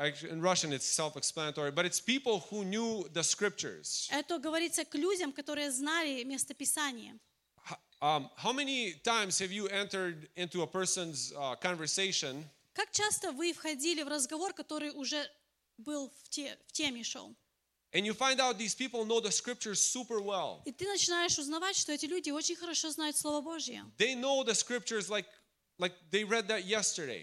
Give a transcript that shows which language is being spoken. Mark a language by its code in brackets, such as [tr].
[en] In Russian, it's self-explanatory, but it's people who knew the scriptures. [ru] Это говорится к людям, которые знали местописание. [en] How many times have you entered into a person's conversation? [ru] Как часто вы входили в разговор, который уже был в теме шел. [en] And you find out these people know the scriptures super well. [ru] И ты начинаешь узнавать, что эти люди очень хорошо знают Слово Божье. [en] They know the scriptures like they read that yesterday.